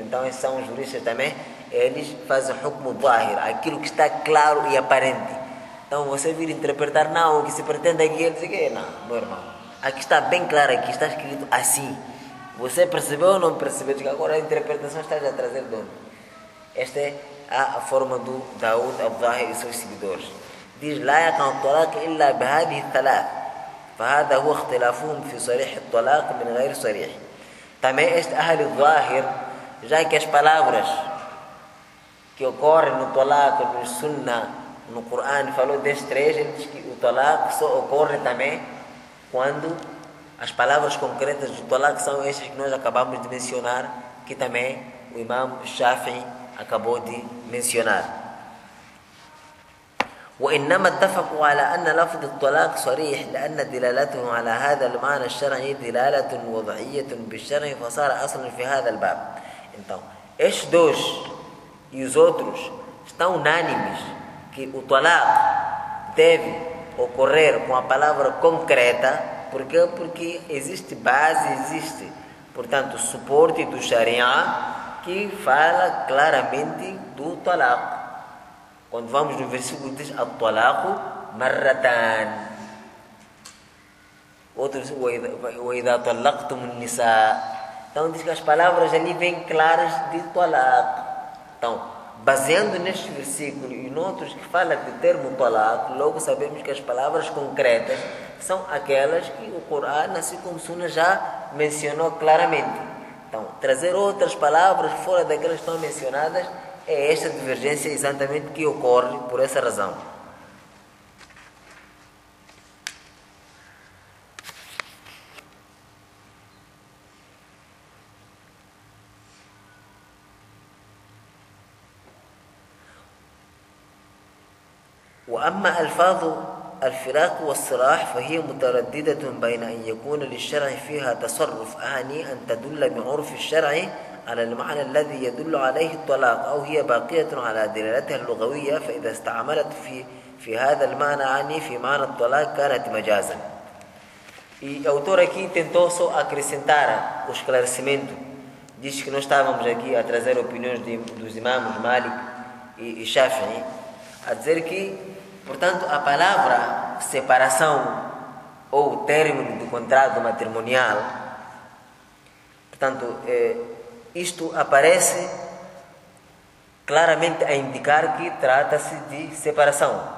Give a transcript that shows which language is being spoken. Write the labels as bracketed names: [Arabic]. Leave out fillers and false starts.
[Portuguese] Então esses são os juristas também, eles fazem o hukm al-zahir, aquilo que está claro e aparente. Então você vir interpretar, não, o que se pretende aqui, ele diz que não, meu irmão. Aqui está bem claro, aqui está escrito assim. Você percebeu ou não percebeu? Diz que agora a interpretação está a trazer de onde? Esta é a forma do Daud al-Zahir e seus seguidores. [Arabic] Diz لا يقع الطلاق إلا بهذه الثلاث فهذا هو اختلافهم في صريح الطلاق من غير صريح. [Portuguese] Também este أهل الظاهر, já que as palavras que ocorrem no طلاق, no sunna, no Coran, falou destes três, ele diz que o طلاق só ocorre também quando as palavras concretas do طلاق são estas que nós acabamos de mencionar, que também o imam Shafi acabou de mencionar. [Arabic] وإنما اتفقوا على أن لفظ الطلاق صريح لأن دلالته على هذا المعنى الشرعي دلالة وضعية بالشرع فصار أصلا في هذا الباب. [Portuguese] Então, estes dois e os outros estão unânimes que o طلاق deve ocorrer com a palavra concreta. Por quê? Porque existe base, existe, portanto, suporte do Sharia que fala claramente do طلاق. Quando vamos no versículo, diz [Arabic] At-talaqu marratan. [Portuguese] Outro versículo, [Arabic] وإذا طلقتم النساء. [Portuguese] Então diz que as palavras ali vêm claras de talaq. Então, baseando neste versículo e noutros que fala de termo talaq, logo sabemos que as palavras concretas são aquelas que o Corão, assim como Sunna, já mencionou claramente. Então, trazer outras palavras fora daquelas que estão mencionadas é esta divergência exatamente que ocorre por essa razão. [Arabic] وأما ألفاظ الفراق والصراح فهي مترددة بين أن يكون للشرع فيها تصرف أعني أن تدل بعرف الشرع على المعنى الذي يدل عليه الطلاق أو هي باقية على دلالتها اللغوية فإذا استعملت في هذا المعنى عني في معنى الطلاق كانت مجازا. [Portuguese] E o autor aqui tentou só acrescentar o esclarecimento. Diz que nós estávamos aqui a trazer opiniões dos imams Malik e Shafi'i, a dizer que, portanto, a palavra separação ou término do contrato matrimonial, portanto, isto aparece claramente a indicar que trata-se de separação.